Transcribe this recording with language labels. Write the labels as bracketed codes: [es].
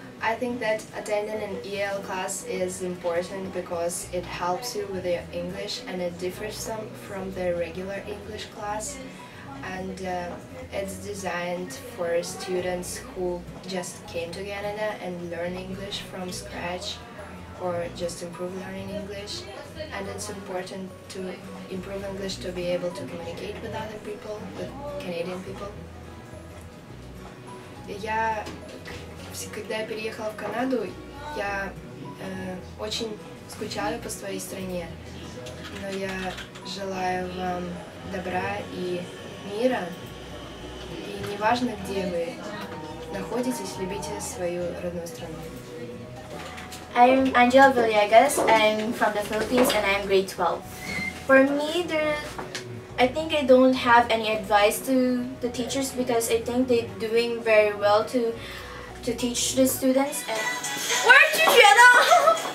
[en] I think that attending an EAL class is important because it helps you with your English, and it differs from the regular English class, and it's designed for students who just came to Canada and learn English from scratch, or just improve learning English. And it's important to improve English to be able to communicate with other people, with Canadian people. Yeah. [ru] Когда я переехала в Канаду, я очень скучаю по своей стране, но я желаю вам добра и мира. И неважно, где вы находитесь, любите свою родную страну. [en] I'm Angela Villegas, I'm from the Philippines, and I'm grade 12. For me, I think I don't have any advice to the teachers, because I think they're doing very well to teach the students. And where did you get that?